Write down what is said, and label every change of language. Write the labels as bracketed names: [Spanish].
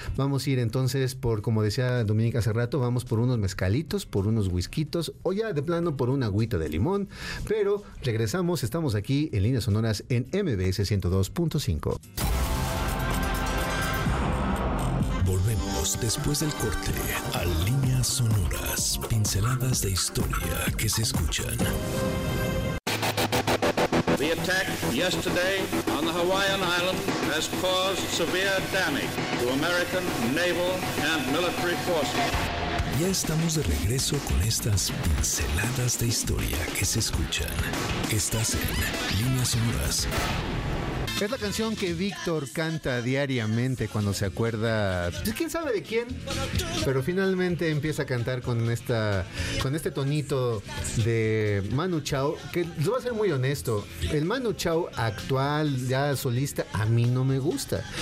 [Spanish] Vamos a ir entonces por, como decía Dominique hace rato, vamos por unos mezcalitos, por unos whiskitos, o ya de plano por una agüita de limón, pero regresamos, estamos aquí en Líneas Sonoras en MBS 102.5. Después del corte, a Líneas Sonoras, pinceladas de historia que se escuchan. [English] The attack yesterday on the Hawaiian island has caused severe damage to American naval and military forces. [Spanish] Ya estamos de regreso con estas pinceladas de historia que se escuchan. Estás en Líneas Sonoras. Es la canción que Víctor canta diariamente cuando se acuerda, quién sabe de quién, pero finalmente empieza a cantar con este tonito de Manu Chao, que lo voy a ser muy honesto, el Manu Chao actual, ya solista, a mí no me gusta.